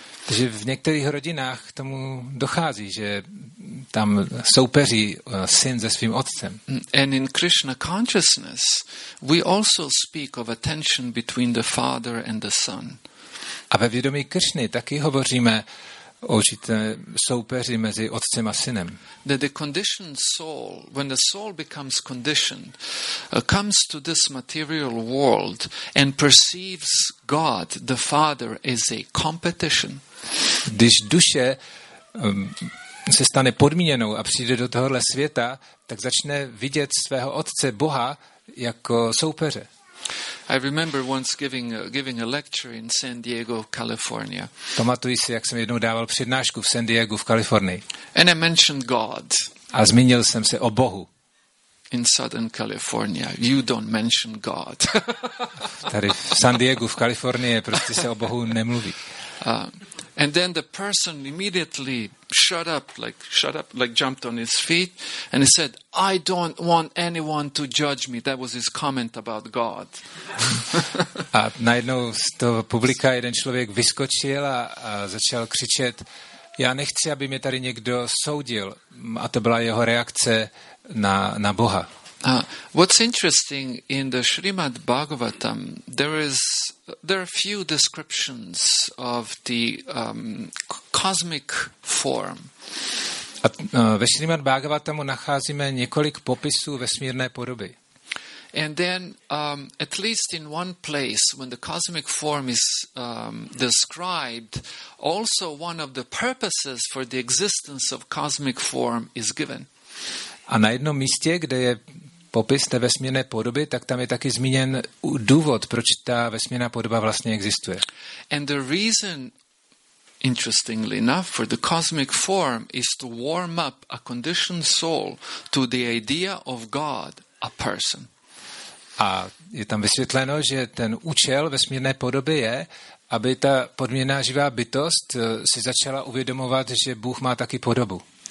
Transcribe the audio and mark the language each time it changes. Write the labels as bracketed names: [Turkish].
[Czech] Že v některých rodinách k tomu dochází, že tam soupeří syn se svým otcem. [English] And in Krishna consciousness we also speak of a tension between the father and the son. [Czech] A ve vědomí Kršny taky hovoříme o určité soupeři mezi otcem a synem. [English] That the conditioned soul, when the soul becomes conditioned, comes to this material world and perceives God, the Father, as a competition. [Czech] Když duše se stane podmíněnou a přijde do tohohle světa, tak začne vidět svého otce Boha jako soupeře. [English] I remember once giving a lecture in San Diego, California. [Czech] Pamatuji si, jak jsem jednou dával přednášku v San Diego v Kalifornii. [English] And I mentioned God. [Czech] A zmínil jsem se o Bohu. [English] In Southern California, you don't mention God. [Czech] Tady v San Diego v Kalifornii prostě se o Bohu nemluví. [English] And then the person immediately shut up, jumped on his feet, and he said, "I don't want anyone to judge me." That was his comment about God. [Czech] A najednou z toho publika jeden člověk vyskočil a začal křičet: "Já nechci, aby mě tady někdo soudil." A to byla jeho reakce na Boha. [English] What's interesting in the Srimad Bhagavatam, there are a few descriptions of the cosmic form. [Czech] Ve Srimad Bhagavatamu nacházíme několik popisů vesmírné podoby. [English] And then at least in one place when the cosmic form is described, also one of the purposes for the existence of cosmic form is given. [Czech] A na jednom místě, kde je popis té vesmírné podoby, tak tam je taky zmíněn důvod, proč ta vesmírná podoba vlastně existuje. [English] And the reason, interestingly enough, for the cosmic form is to warm up a conditioned soul to the idea of God, a person. [Czech] A je tam vysvětleno, že ten účel vesmírné podoby je, aby ta podmíněná živá bytost si začala uvědomovat, že Bůh má taky podobu.